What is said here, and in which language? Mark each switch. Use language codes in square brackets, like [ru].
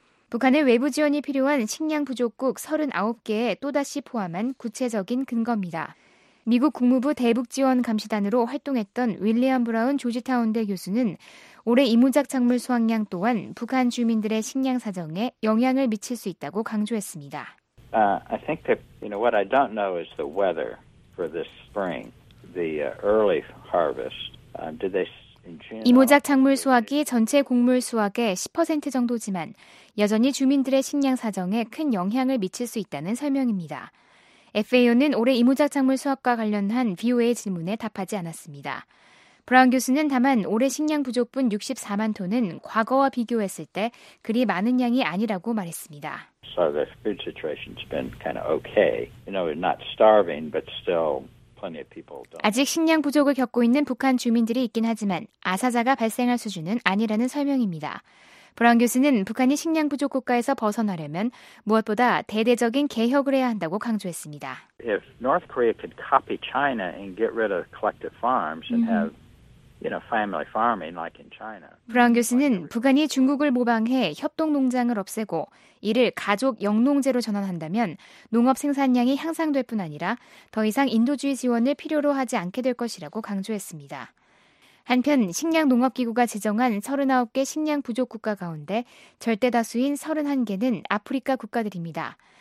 [ko] 북한의 외부 지원이 필요한 식량 부족국 39개에 또다시 포함한 구체적인 근거입니다. 미국 국무부 대북지원감시단으로 활동했던 윌리엄 브라운 조지타운대 교수는 올해 이무작 작물 수확량 또한 북한 주민들의 식량 사정에 영향을 미칠 수 있다고 강조했습니다. [en] I think that, you know, what I don't know is the weather for this spring, the early harvest. Did they [ko] 이무작 작물 수확이 전체 곡물 수확의 10% 정도지만 여전히 주민들의 식량 사정에 큰 영향을 미칠 수 있다는 설명입니다. FAO는 올해 이무작 작물 수확과 관련한 VOA의 질문에 답하지 않았습니다. 브라운 교수는 다만 올해 식량 부족분 64만 톤은 과거와 비교했을 때 그리 많은 양이 아니라고 말했습니다. [en] So the food situation's been kind of okay. You know, we're not starving, but still [ko] 아직 식량 부족을 겪고 있는 북한 주민들이 있긴 하지만 아사자가 발생할 수준은 아니라는 설명입니다. 브라운 교수는 북한이 식량 부족 국가에서 벗어나려면 무엇보다 대대적인 개혁을 해야 한다고 강조했습니다. [en] If North Korea could copy China and get rid of collective farms and have, you know, family farming like in China. [ko] 브라운 교수는 북한이 중국을 모방해 협동 농장을 없애고 이를 가족 영농제로 전환한다면 농업 생산량이 향상될 뿐 아니라 더 이상 인도주의 지원을 필요로 하지 않게 될 것이라고 강조했습니다. 한편 식량농업기구가 지정한 39개 식량 부족 국가 가운데 절대다수인 31개는 아프리카 국가들입니다.